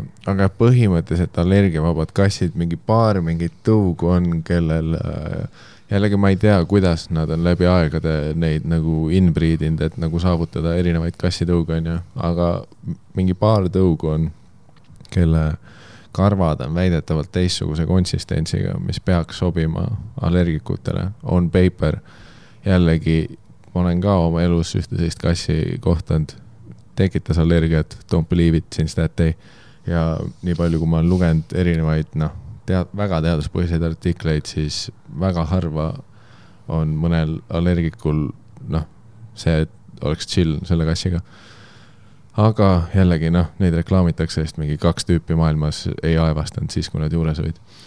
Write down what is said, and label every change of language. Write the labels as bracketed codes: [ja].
[et] aga põhimõtteliselt allergivabad kassid, mingi paar mingit tõugu on, kellel jällegi ma ei tea, kuidas nad on läbi aegade neid nagu inbriidind, et nagu saavutada erinevaid kassitõugu on, ja. Aga mingi paar tõugu on, kelle karvad on väidetavalt teissuguse konsistentsiga, mis peaks sobima allergikutele [en] on paper, [et] jällegi ma olen ka oma elus ühteseist kassi kohtanud tekitas allergiat, [en] don't believe it since that day. [et] Ja nii palju kui ma olen lugenud erinevaid no, väga teaduspõhiseid artikleid, siis väga harva on mõnel allergikul no, see, et oleks chill selle kassiga. Aga jällegi, no, neid reklaamitakse, sest mingi kaks tüüpi maailmas ei aevastanud siis, kui nad juures olid.